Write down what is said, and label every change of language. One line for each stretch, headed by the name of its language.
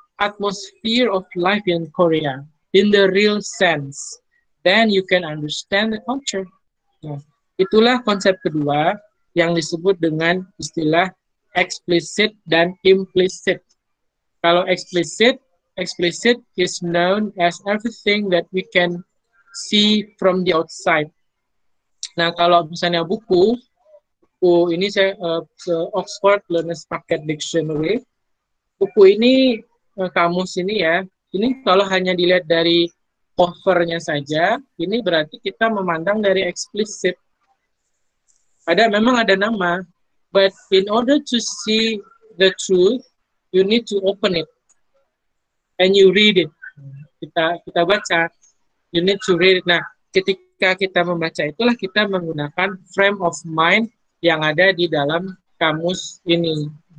English: atmosphere of life in Korea in the real sense, then you can understand the culture.
Indonesian: Nah, itulah konsep kedua yang disebut dengan istilah explicit dan implicit.
English: Kalau explicit, explicit is known as everything that we can see from the outside.
Indonesian: Nah, kalau misalnya buku, ini saya Oxford Learner's Pocket Dictionary. Buku ini, kamus ini ya, ini kalau hanya dilihat dari covernya saja, ini berarti kita memandang dari explicit. Ada memang ada nama,
English: but in order to see the truth, you need to open it and you read it.
Indonesian: Kita baca,
English: you need to read it.
Indonesian: Nah, ketika kita membaca itulah kita menggunakan
English: frame of mind
Indonesian: yang ada di dalam kamus ini.